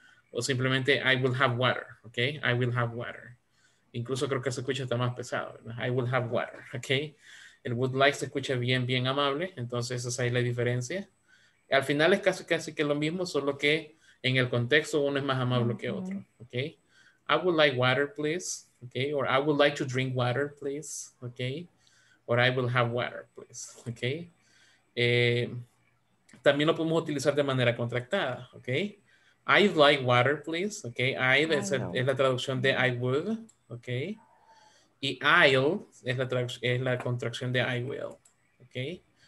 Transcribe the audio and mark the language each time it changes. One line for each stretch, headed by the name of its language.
Spanish: O simplemente,
English: I will have water, ¿ok? I will have water.
Spanish: Incluso creo que se escucha hasta más pesado, ¿no?
English: I will have water,
Spanish: ¿ok? El would like se escucha bien, bien amable. Entonces, esa es ahí la diferencia. Al final es casi, casi que lo mismo, solo que en el contexto uno es más amable que otro, ¿ok?
English: I would like water, please, ¿ok? Or I would like to drink water, please, ¿ok? Or I will have water, please, ¿ok?
Spanish: También lo podemos utilizar de manera contractada, ¿ok?
English: I'd like water, please,
Spanish: ¿ok? I'd es la traducción de I would, ¿ok? Y I'll es la contracción de I will, ¿ok?